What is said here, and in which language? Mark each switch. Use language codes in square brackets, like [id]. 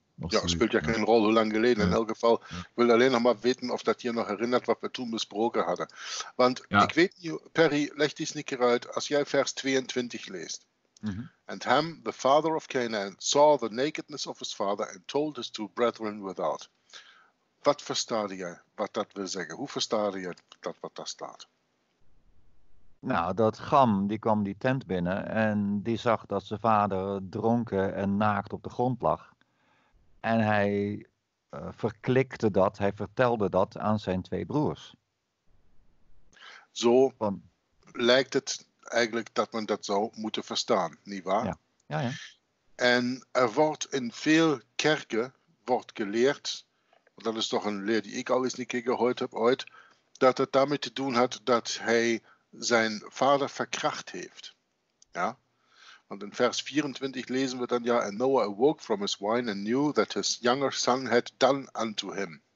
[nl] Ja, het speelt ja geen rol, hoe lang geleden. Ja. In elk geval, ik wil alleen nog maar weten of dat je nog herinnert wat we toen besproken hadden. Want ik weet niet, Perry, leg die sneaker uit, als jij vers 22 leest. Mm-hmm. [en] And Ham, the father of Canaan, saw the nakedness of his father and told his two brethren without. [nl] Wat verstaat jij wat dat wil zeggen? Hoe verstaat jij dat wat daar staat? Nou, dat Ham, die kwam die tent binnen en die zag dat zijn vader dronken en naakt op de grond lag. En hij verklikte dat, hij vertelde dat aan zijn twee broers. Zo van, lijkt het eigenlijk dat men dat zou moeten verstaan, nietwaar? Ja. En er wordt in veel kerken wordt geleerd, want dat is toch een leer die ik al eens een keer gehoord heb ooit, dat het daarmee te doen had dat hij... zijn vader verkracht heeft. Ja? Want in vers 24 lezen we dan, ja, [en] and Noah awoke from his wine and knew that his younger son had done unto him.